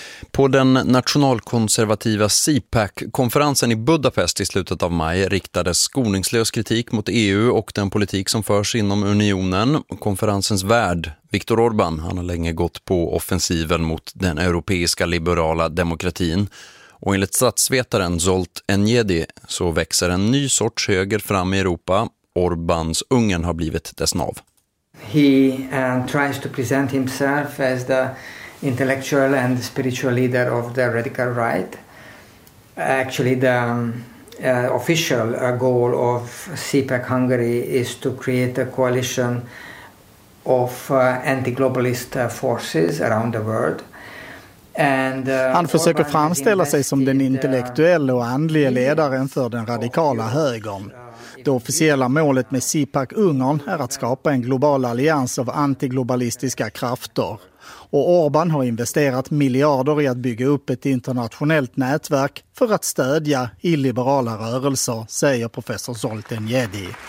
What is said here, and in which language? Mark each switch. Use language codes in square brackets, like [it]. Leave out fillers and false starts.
[sv] På den nationalkonservativa CPAC-konferensen i Budapest i slutet av maj riktades skoningslös kritik mot EU och den politik som förs inom unionen. Konferensens värd, Viktor Orbán, han har länge gått på offensiven mot den europeiska liberala demokratin. Och enligt statsvetaren Zolt Enyedi så växer en ny sorts höger fram i Europa. Orbáns Ungern har blivit dess nav. [en] He tries to present himself as the intellectual and spiritual leader of the radical right. Actually the official goal of CPAC Hungary is to create a coalition of anti-globalist forces around the world. [sv] Han försöker framställa sig som den intellektuella och andliga ledaren för den radikala högern. Det officiella målet med CPAC Ungern är att skapa en global allians av antiglobalistiska krafter. Och Orbán har investerat miljarder i att bygga upp ett internationellt nätverk för att stödja illiberala rörelser, säger professor Zoltán Jedi.